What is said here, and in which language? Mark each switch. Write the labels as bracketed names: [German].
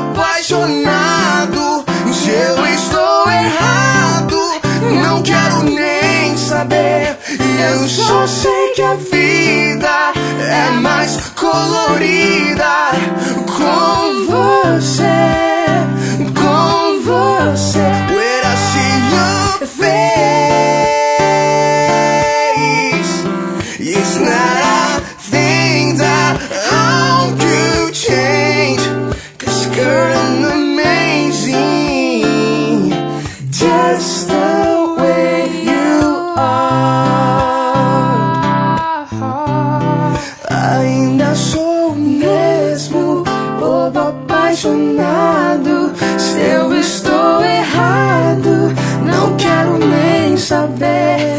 [Portuguese] Apaixonado, se eu estou errado, não quero nem saber. E eu só sei que a vida é mais colorida com você, com você. [English] Where I see your face, it's not a thing that I could change. You're an amazing, just the way you are. [Portuguese] Ainda sou o mesmo, bobo apaixonado. Se eu estou errado, não quero nem saber.